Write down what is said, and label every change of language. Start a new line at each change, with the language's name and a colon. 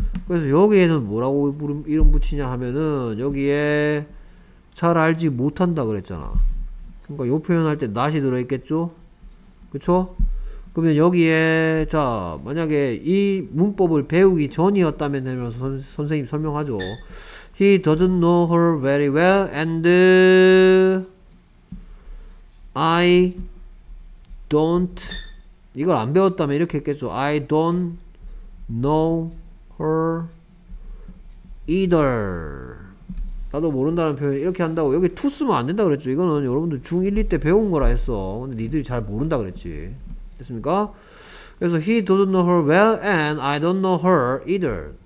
Korean: 그래서 여기에는 뭐라고 이름 붙이냐 하면은 여기에 잘 알지 못한다 그랬잖아. 그러니까 요 표현할 때 not이 들어있겠죠? 그쵸? 그러면 여기에 자 만약에 이 문법을 배우기 전이었다면 되면서 선생님 설명하죠.
English: He doesn't know her very well and I don't
Korean: 이걸 안 배웠다면 이렇게 했겠죠.
English: I don't know her either.
Korean: 나도 모른다는 표현 이렇게 한다고. 여기 to 쓰면 안 된다 그랬죠. 이거는 여러분들 중 1, 2 때 배운 거라 했어. 근데 니들이 잘 모른다 그랬지. 됐습니까?
English: 그래서 he doesn't know her well and I don't know her either.